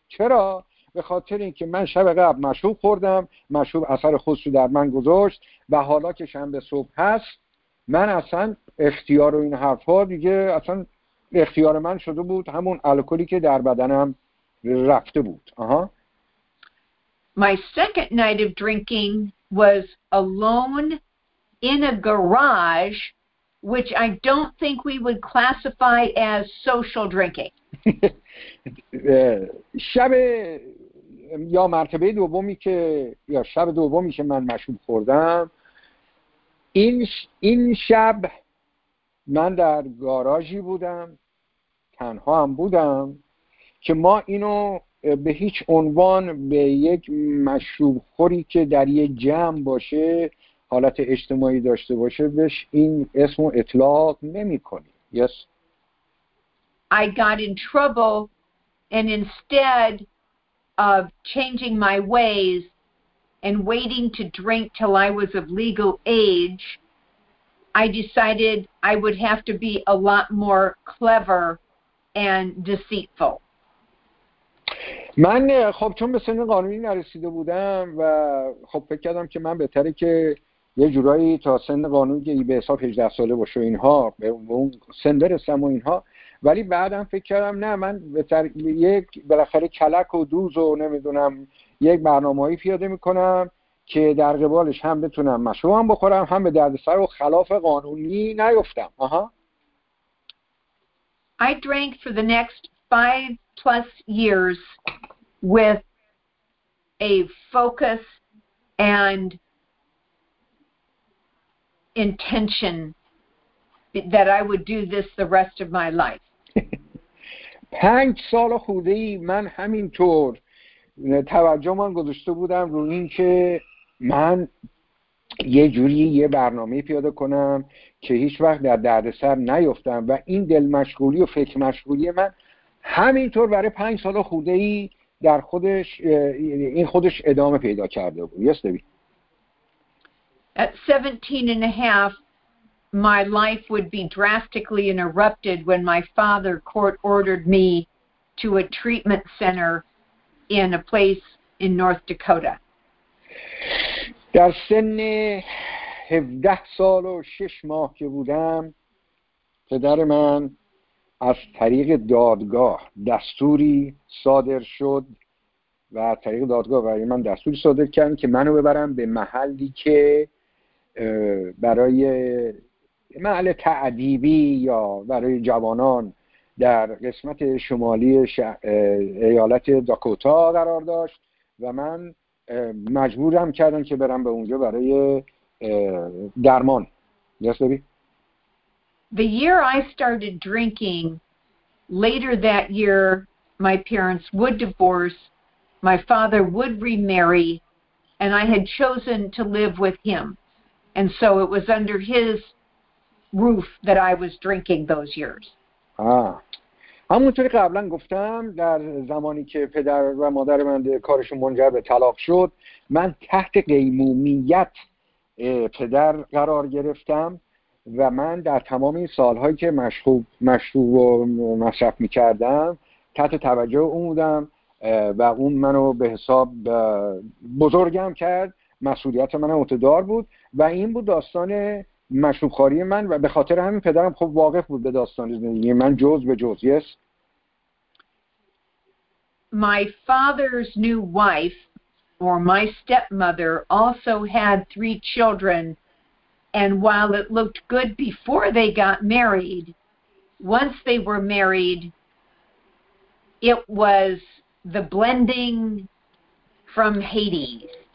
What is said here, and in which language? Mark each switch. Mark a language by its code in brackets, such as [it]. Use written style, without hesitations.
[fa] چرا؟ به خاطر اینکه من شب قبل مشروب خوردم، مشروب اثر خودش رو در من گذاشت و حالا که شنبه صبح هست، من اصلا اختیار و این حرفا دیگه اصلا اختیار من شده بود، همون الکلی که در بدنم رفته بود. [en] My second night of drinking was alone in a garage, which I don't think we would classify as social drinking. [fa] شب یا مرتبه دومی که یا شب دومی که من مشروب خوردم، این شب من در گاراژی بودم، تنها هم بودم، که ما اینو به هیچ عنوان به یک مشروب خوری که در یک جمع باشه، حالت اجتماعی داشته باشه، بهش این اسمو اطلاق نمی کنیم. [en] Yes. I got in trouble and instead of changing my ways and waiting to drink till I was of legal age, I decided I would have to be a lot more clever and deceitful. [fa] من خب چون به سن قانونی نرسیده بودم و خب فکر کردم که من بهتره که یه جورایی تا سن قانونی که به حساب 18 ساله باشه اینها به اون سن برسم و اینها، ولی بعدم فکر کردم نه، من بهتر یک بالاخره کلک و دوز و نمیدونم یک برنامه‌ای پیاده می‌کنم که در قبالش هم بتونم مشروبم بخورم، هم به دردسر و خلاف قانونی نیفتم. [en] I drank for the next 5 plus years with a focus and intention that I would do this the rest of my life. [fa] 5 سال خودی من همینطور توجه من گذاشته بودم رو این که من یه جوری یه برنامه پیاده کنم که هیچ وقت در دردسر نیفتم و این دل مشغولی و فکر مشغولی من همینطور برای 5 سال خوده ای در خودش این خودش ادامه پیدا کرده بود. [en] Yes, Debbie. At 17 and a half, my life would be drastically interrupted when my father court ordered me to a treatment center in a place in North Dakota. [fa] در سن 17 سال و 6 ماه که بودم، پدر من از طریق دادگاه دستوری صادر شد و از طریق دادگاه برای من دستوری صادر کرد که منو ببرم به محلی که برای محل تعذیبی یا برای جوانان در قسمت شمالی ایالت داکوتا قرار داشت و من مجبورم کردم که برم به اونجا برای درمان. [en] Yes, baby. The year I started drinking, later that year, my parents would divorce, my father would remarry, and I had chosen to live with him. And so it was under his roof that I was drinking those years. [fa] همونطوری قبلا گفتم در زمانی که پدر و مادر من کارشون منجر به طلاق شد من تحت قیمومیت پدر قرار گرفتم و من در تمام این سالهایی که مشروب و مصرف میکردم تحت توجه اون بودم و اون منو به حساب بزرگم کرد مسئولیت من عهده‌دار بود و این بود داستان مشروب خواری من و به خاطر همین پدرم خب واقف بود به داستان زندگی من جز به جز. [en] Yes. My father's new wife, or my stepmother, also had three children, and while it looked good before they got married, once they were married, it was the blending from Hades.